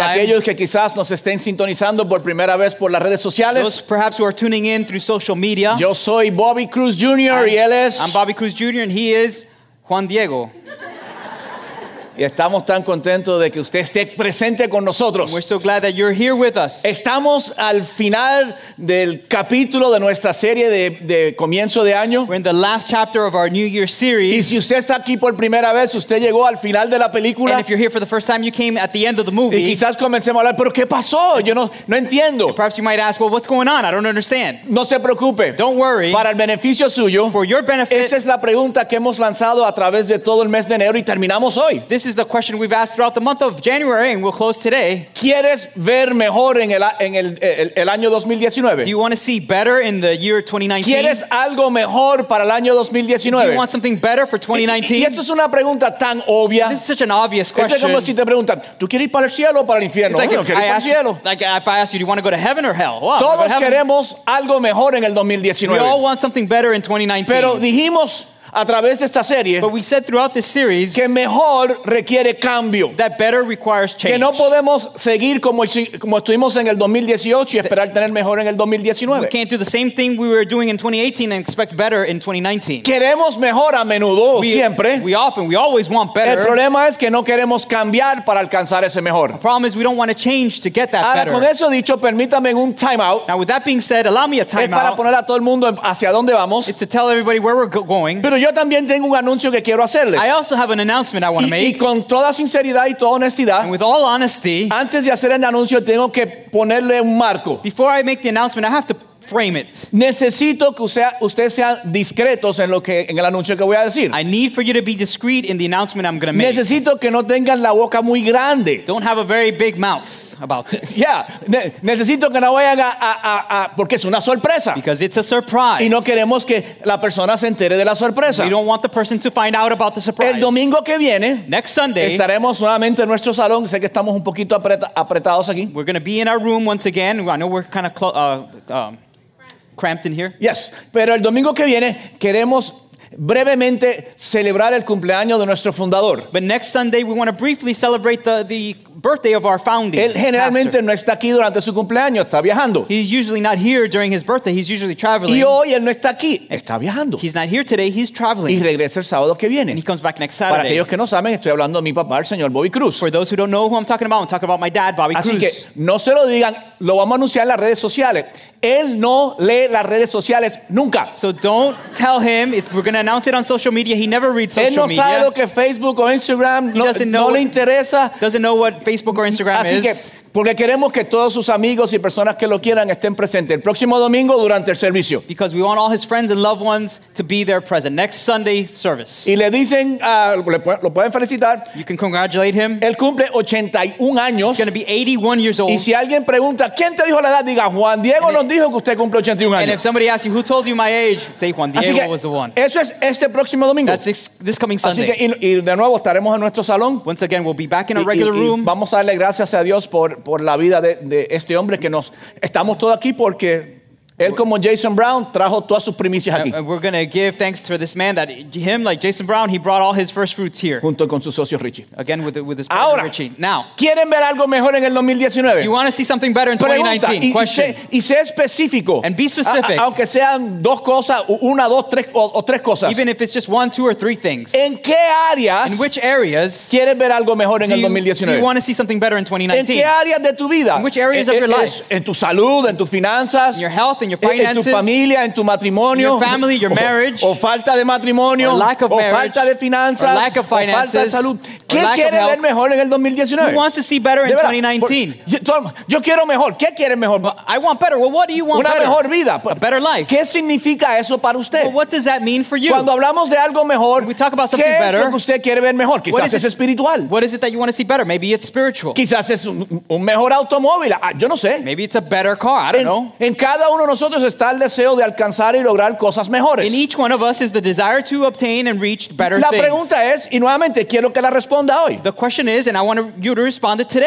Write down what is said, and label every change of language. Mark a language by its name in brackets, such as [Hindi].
[Spanish] Y aquellos que quizás nos estén sintonizando por primera vez por las redes sociales. [English] Those perhaps who are tuning in through social media. [Spanish] Yo soy Bobby Cruz Jr. y él es... [English] I'm Bobby Cruz Jr. and he is Juan Diego. [Spanish] Y estamos tan contentos de que usted esté presente con nosotros. [English] We're so glad that you're here with us. [Spanish] Estamos al final del capítulo de nuestra serie de comienzo de año. [English] We're in the last chapter of our New Year series. [Spanish] Y si usted está aquí por primera vez, usted llegó al final de la película. [English] And if you're here for the first time, you came at the end of the movie. [Spanish] Y quizás comencemos a hablar, pero ¿qué pasó? Yo no entiendo. [English] And perhaps you might ask, well, what's going on? I don't understand. [Spanish] No se preocupe. [English] Don't worry. [Spanish] Para el beneficio suyo. [English] For your benefit. [Spanish] Esta es la pregunta que hemos lanzado a través de todo el mes de enero y terminamos hoy. [English] This is the question we've asked throughout the month of January, and we'll close today. [Spanish] ¿Quieres ver mejor en el año 2019? [English] Do you want to see better in the year 2019? [Spanish] ¿Quieres algo mejor para el año 2019? [English] Do you want something better for 2019? [Spanish] Y esto es una pregunta tan obvia. [English] This is such an obvious question. [Spanish] Es como si te preguntan, ¿tú quieres ir para el cielo o para el infierno? [English] It's like if I ask you, do you want to go to heaven or hell? Wow, [Spanish] todos queremos algo mejor en el 2019. [English] We all want something better in 2019. [Spanish] Pero dijimos... A través de esta serie, [English] but we said throughout this series [Spanish] que mejor requiere cambio, [English] that better requires change. [Spanish] Que no podemos seguir como estuvimos en el 2018 y esperar tener mejor en el 2019. [English] We can't do the same thing we were doing in 2018 and expect better in 2019. [Spanish] Queremos mejor a menudo, siempre. [English] We always want better. [Spanish] El problema es que no queremos cambiar para alcanzar ese mejor. [English] The problem is we don't want to change to get that [Spanish] Ahora, [English] better. [Spanish] Con eso dicho, permítame un time out. [English] Now with that being said, allow me a time out. [Spanish] Es para poner a todo el mundo hacia dónde vamos. [English] It's to tell everybody where we're going. [Spanish] Pero yo también tengo un anuncio que quiero hacerles. [English] I also have an announcement I want to make. [Spanish] Y con toda sinceridad y toda honestidad, [English] and with all honesty, [Spanish] antes de hacer el anuncio tengo que ponerle un marco. [English] Before I make the announcement, I have to frame it. [Spanish] Necesito que ustedes sean discretos en lo que en el anuncio que voy a decir. [English] I need for you to be discreet in the announcement I'm going to make. [Spanish] Necesito que no tengan la boca muy grande. [English] Don't have a very big mouth about this. [Spanish] Yeah, necesito que no vayan a porque es una sorpresa. [English] Because it's a surprise. [Spanish] Y no queremos que la persona se entere de la sorpresa. [English] We don't want the person to find out about the surprise. [Spanish] El domingo que viene, [English] next Sunday, [Spanish] estaremos nuevamente en nuestro salón. Sé que estamos un poquito apretados aquí. [English] We're going to be in our room once again. I know we're kind of cramped in here. [Spanish] Yes, pero el domingo que viene queremos brevemente celebrar el cumpleaños de nuestro fundador. [English] But next Sunday we want to briefly celebrate the birthday of our founding. [Spanish] Él generalmente no está aquí durante su cumpleaños, está viajando. [English] He's usually not here during his birthday, he's usually traveling. [Spanish] Y hoy él no está aquí, está viajando. [English] He's not here today, he's traveling. [Spanish] Y regresa el sábado que viene. [English] And he comes back next Saturday. [Spanish] Para aquellos que no saben, estoy hablando de mi papá, el señor Bobby Cruz. [English] For those who don't know who I'm talking about, I'm talking about my dad, Bobby Cruz. [Spanish] Así que no se lo digan, lo vamos a anunciar en las redes sociales. Él no lee las redes sociales nunca. [English] So don't tell him. We're going to announce it on social media. He never reads social media. [Spanish] Él no sabe lo que Facebook o Instagram. [English] He doesn't know. [Spanish] No le interesa. [English] Doesn't know what Facebook or Instagram is. [Spanish] Porque queremos que todos sus amigos y personas que lo quieran estén presentes el próximo domingo durante el servicio. [English] Because we want all his friends and loved ones to be there present next Sunday service. [Spanish] Y le dicen, lo pueden felicitar. [English] You can congratulate him. [Spanish] Él cumple 81 años. [English] He's going to be 81 years old. [Spanish] Y si alguien pregunta, ¿quién te dijo la edad? Diga, Juan Diego nos dijo que usted cumple 81 años. [English] And if somebody asks you, who told you my age? Say, Juan Diego was the one. [Spanish] Eso es este próximo domingo. [English] That's this coming Sunday. [Spanish] Así que, y de nuevo estaremos en nuestro salón. [English] Once again, we'll be back in our regular room. [Spanish] Y vamos a darle gracias a Dios por la vida de este hombre que nos estamos todos aquí porque él como Jason Brown trajo todas sus primicias aquí. [English] And we're going to give thanks for this man that him like Jason Brown, he brought all his first fruits here [Spanish] junto con su socio Richie. [English] Again with his partner Richie. Now, [Spanish] ¿quieren ver algo mejor en el 2019? [English] Do you want to see something better in 2019? question. [Spanish] Y sé específico. [English] And be specific. [Spanish] Aunque sean dos cosas, una, dos, tres o tres cosas. [English] Even if it's just one, two or three things. [Spanish] ¿En qué áreas? [English] In which areas? [Spanish] ¿Quieren ver algo mejor en el 2019? [English] Do you want to see something better in 2019? [Spanish] ¿En qué áreas de tu vida? [English] In which areas of your life? [Spanish] En tu salud, en tus finanzas. [English] In your health, your finances, [Spanish] en tu familia, en tu matrimonio, [English] your family, your marriage, [Spanish] o falta de matrimonio, [English] or lack of marriage, [Spanish] o falta de finanzas, [English] or lack of finances, [Spanish] o falta de salud. ¿Qué quiere ver mejor en el 2019? [English] Who wants to see better in 2019? [Spanish] Yo quiero mejor. ¿Qué quiere mejor? [English] I want better. Well, what do you want? [Spanish] Una mejor vida. [English] A better life. [Spanish] ¿Qué significa eso para usted? [English] Well, what does that mean for you? [Spanish] Cuando hablamos de algo mejor, [English] we talk about something better. [Spanish] ¿Qué es lo que usted quiere ver mejor? Quizás es espiritual. [English] What is it that you want to see better? Maybe it's spiritual. [Spanish] Quizás es un mejor automóvil. Yo no sé. [English] Maybe it's a better car. I don't know. [Spanish] En cada uno nosotros está el deseo de alcanzar y lograr cosas mejores. [English] In each one of us is the desire to obtain and reach better things. [Spanish] La pregunta es, y nuevamente quiero que la responda hoy. [English] The question is, and I want you to respond it today.